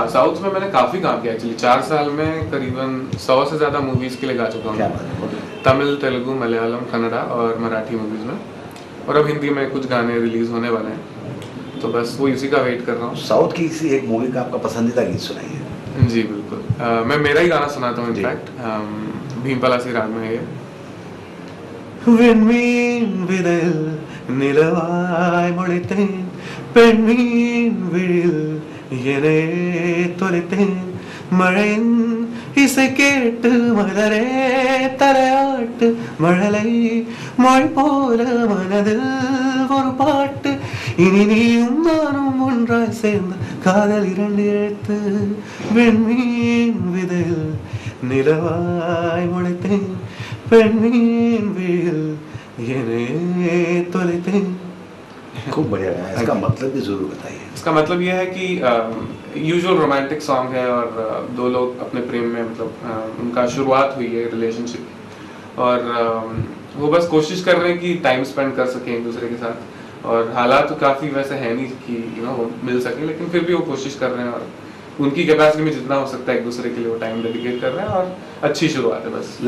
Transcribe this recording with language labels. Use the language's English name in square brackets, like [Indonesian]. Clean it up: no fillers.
[Hindi] हाँ, साउथ में मैंने काफी काम किया एक्चुअली, 4 साल में करीबन 100 से ज्यादा मूवीज के लिए गा चुका हूँ, तमिल, तेलुगु, मलयालम, कन्नड़ा और मराठी मूवीज में, और अब हिंदी में कुछ गाने रिलीज होने वाले हैं, तो बस वो इसी का वेट कर रहा हूँ। साउथ की किसी एक मूवी का आपका पसंदीदा गीत सुनाइए। जी बिल्कुल, मैं मेरा ही गाना सुनाता हूँ, इनफैक्ट भीमपला सी राग में है ये। [Tamil] வெண்மீன் விடல் நிலவாய் முளைத்தேன், பெண்மீன் விடில் எனே தொலைத்தேன், மழையின் இசை கேட்டு மலரே தலையாட்டு, மழலை மொழி போல மனதில் ஒரு பாட்டு, இனி நீயும் நானும் ஒன்றாய் சேர்ந்து காதல் இரண்டு எழுத்து, வெண்மீன் விதையில் நிலவாய் முளைத்தேன், பெண்மீன் விடில் எனே தொலைத்தேன். [Hindi] खूब बढ़िया है, इसका मतलब भी जरूर बताइए। इसका मतलब यह है कि यूजुअल रोमांटिक सॉन्ग है और दो लोग अपने प्रेम में मतलब उनका शुरुआत हुई है रिलेशनशिप, और वो बस कोशिश कर रहे हैं कि टाइम स्पेंड कर सकें एक दूसरे के साथ, और हालात तो काफ़ी वैसे है नहीं कि यू नो मिल सके, लेकिन फिर भी वो कोशिश कर रहे हैं और उनकी कैपेसिटी में जितना हो सकता है एक दूसरे के लिए वो टाइम डेडिकेट कर रहे हैं, और अच्छी शुरुआत है बस।